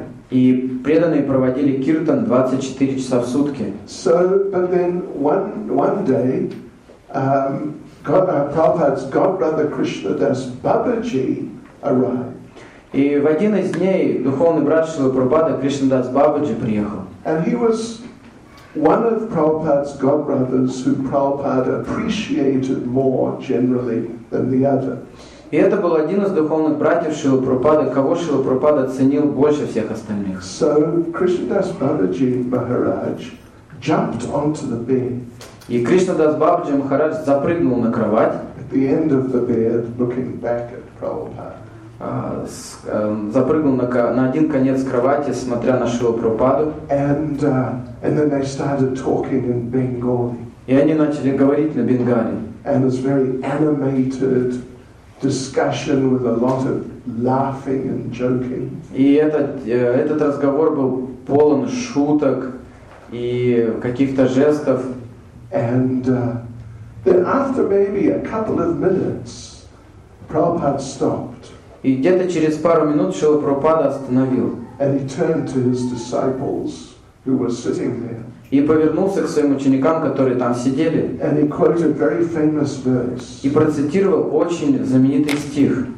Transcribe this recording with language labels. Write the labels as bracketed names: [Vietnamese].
[Russian] И преданные проводили киртан 24 часа в сутки. [English] So, but then one day, Prabhupada's godbrother Krishna Das Babaji arrived. [Russian] И в один из дней духовный брат Шрилы Прабхупады Кришнадас Бабаджи приехал. [English] And he was one of Prabhupada's godbrothers who Prabhupada appreciated more generally than the other. [Russian] И это был один из духовных братьев Шрилы Прабхупады, кого Шрила Прабхупада ценил больше всех остальных. [English] So Krishnadas Babaji Maharaj jumped onto the bed. [Russian] И Кришнадас Бабаджи Махарадж запрыгнул на кровать. [English] At the end of the bed, looking back at Prabhupada. [Russian] Запрыгнул на один конец кровати, смотря на Шрилу Прабхупаду. [English] And then they started talking in Bengali. [Russian] И они начали говорить на бенгали. [English] And it was very animated discussion with a lot of laughing and joking. [Russian] И этот разговор был полон шуток и каких-то жестов. [English] And then after maybe a couple of minutes, Prabhupada stopped. [Russian] И где-то через пару минут Шрила Прабхупада остановил. [English] And he turned to his disciples who were sitting there. [Russian] И повернулся к своим ученикам, которые там сидели. [English] And he quoted very famous verse. [Russian] И процитировал очень знаменитый стих.